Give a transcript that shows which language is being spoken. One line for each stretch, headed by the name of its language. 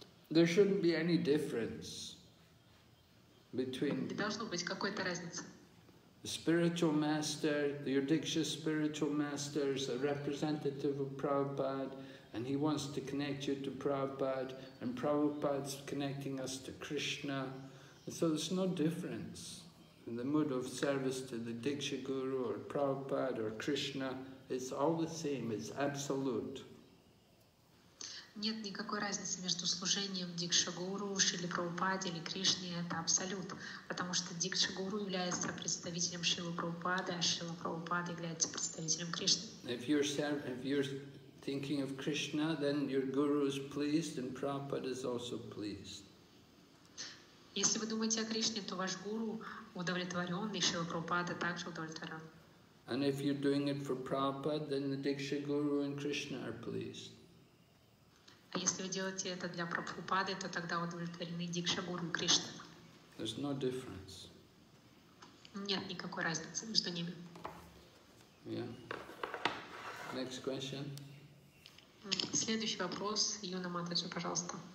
English: There shouldn't be any difference between the spiritual master, your Diksha spiritual master is a representative of Prabhupada, and he wants to connect you to Prabhupada, and Prabhupada's connecting us to Krishna. And so there's no difference in the mood of service to the Diksha Guru or Prabhupada or Krishna. It's all the same, it's absolute.
Russian: Нет никакой разницы между служением Дикша Гуру, Шрилы Прабхупады или Кришне, это абсолют. Потому что Дикша Гуру является представителем Шрилы Прабхупады, а Шрила Прабхупада является представителем Кришны.
English: If you're thinking of Krishna, then your Guru is pleased and Prabhupada is also pleased.
Russian: Если вы думаете о Кришне, то ваш гуру удовлетворен, и Шрила Прабхупада также удовлетворен.
English: And if you're doing it for Prabhupada, then the Diksha Guru and Krishna are pleased.
Russian: А если вы делаете это для Прабхупады, то тогда удовлетворены Дикша Гуру и Кришна.
English: There's no difference.
Russian: Нет никакой разницы между ними.
English: Yeah. Next question.
Russian: Следующий вопрос, Юна Матаджи, пожалуйста.